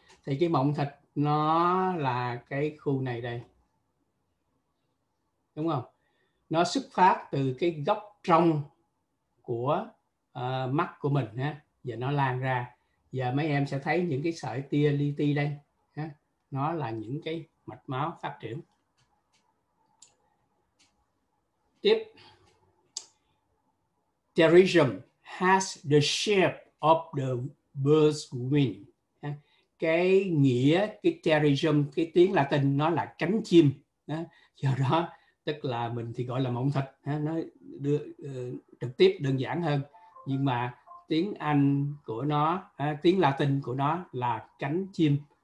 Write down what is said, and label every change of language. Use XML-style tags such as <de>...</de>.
<vi>Thì cái mộng thạch nó là cái khu này đây, đúng không? Nó xuất phát từ cái góc trong của mắt của mình ha, và nó lan ra. Và mấy em sẽ thấy những cái sợi tia li ti đây ha, nó là những cái mạch máu phát triển. Tiếp,</vi> <en>pterygium has the shape of the bird's wing.</en> <vi>Cái nghĩa cái pterygium, cái tiếng Latin nó là cánh chim ha. Do đó tức là mình thì gọi là mộng thạch ha, nó đưa trực tiếp đơn giản hơn. Nhưng mà tiếng Anh của nó, tiếng Latin của nó là cánh chim.</vi>